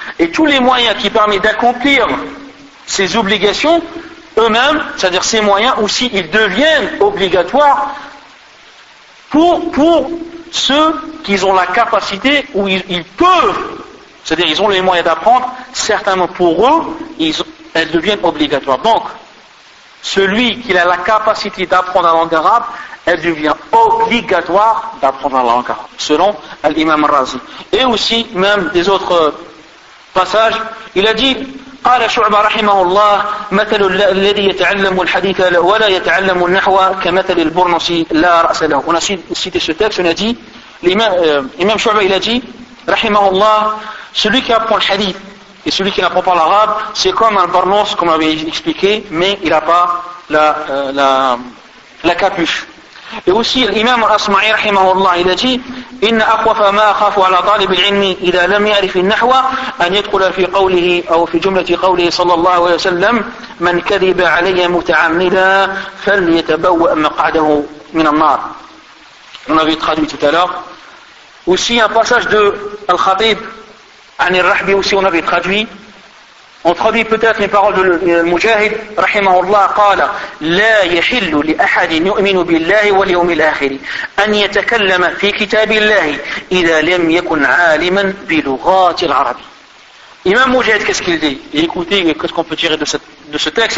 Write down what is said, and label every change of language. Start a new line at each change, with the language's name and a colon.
French: Et tous les moyens qui permettent d'accomplir ces obligations, eux-mêmes, c'est-à-dire ces moyens aussi, ils deviennent obligatoires pour ceux qui ont la capacité où ils peuvent, c'est-à-dire ils ont les moyens d'apprendre, certainement pour eux, elles deviennent obligatoires. Donc, celui qui a la capacité d'apprendre la langue arabe, elle devient obligatoire d'apprendre la langue arabe, selon l'imam al-Razi. Et aussi, même des autres passages, il a dit,
Arabic: قال شعبة رحمه الله مثل الذي يتعلم الحديث ولا يتعلم النحو كمثل البرنس لا رأس له.
French: On a cité ce texte, on a dit, l'imam شعبة il a dit, رحمه الله, celui qui apprend le hadith et celui qui n'apprend pas l'arabe, c'est comme un burnous, comme on avait expliqué, mais il n'a pas la capuche. Et aussi l'imam al-Asma'i رحمه الله il a dit,
Arabic: إن أخوف ما أخاف على طالب العلم إذا لم يعرف النحو أن يدخل في قوله أو في جملة قوله صلى الله عليه وسلم من كذب علي متعمدا فليتبوأ مقعده من النار.
French: On avait traduit tout à l'heure. Aussi un passage de Al-Khatib
Arabic: عن الرحبي,
French: aussi on avait traduit. On traduit peut-être les paroles de Mujahid, rahimahullah,
Arabic: قال لا يحل لأحد يؤمن بالله واليوم الآخر أن يتكلم في كتاب الله إذا لم يكن عالما بلغات العربي.
French: Imam Mujahid, qu'est-ce qu'il dit? Écoutez, qu'est-ce qu'on peut tirer de ce texte?